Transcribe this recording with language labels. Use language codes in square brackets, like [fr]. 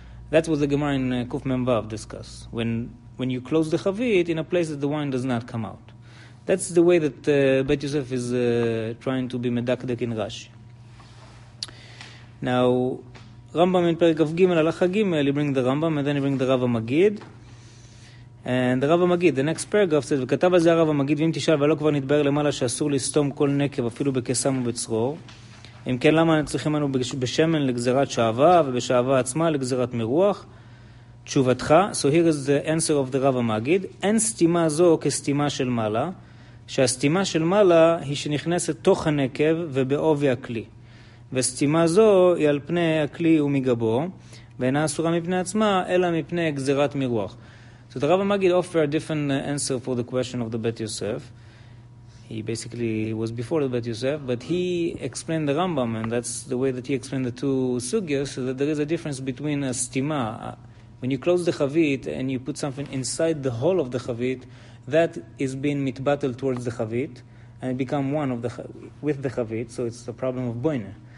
[en] That's what the Gemara in Kuf Mem Vav discuss. When you close the chavit in a place that the wine does not come out, that's the way that Bet Yosef is trying to be medakdek in Rashi. Now, Rambam in Perek of Gimel Alacha Gimel, he bring the Rambam and then he bring the Rav Magid. And the Rav HaMagid, the next paragraph says, [he] וכתב הזה הרב המגיד, ואם תשאל, ולא כבר נתבהר למעלה שאסור לסתום כל נקב, אפילו בקסם ובצרור. אם כן, למה צריכים לנו בשמן לגזרת שעבה, ובשעבה עצמה לגזרת מרוח? תשובתך, [en] so here is the answer of the Rav HaMagid, [he] אין סתימה זו כסתימה של מעלה, שהסתימה של מעלה היא שנכנסת תוך הנקב ובעובי הכלי. וסתימה זו היא על פני הכלי ומגבו, ואינה אסורה מפני עצמה, אלא מפני גזרת מרוח. [en] So the Rav HaMagid offered a different answer for the question of the Bet Yosef. He basically was before the Bet Yosef, but he explained the Rambam, and that's the way that he explained the two sugyos, so that there is a difference between a stima. When you close the chavit and you put something inside the hole of the chavit, that is being mitbatel towards the chavit, and it becomes one of the with the chavit, so it's a problem of boine.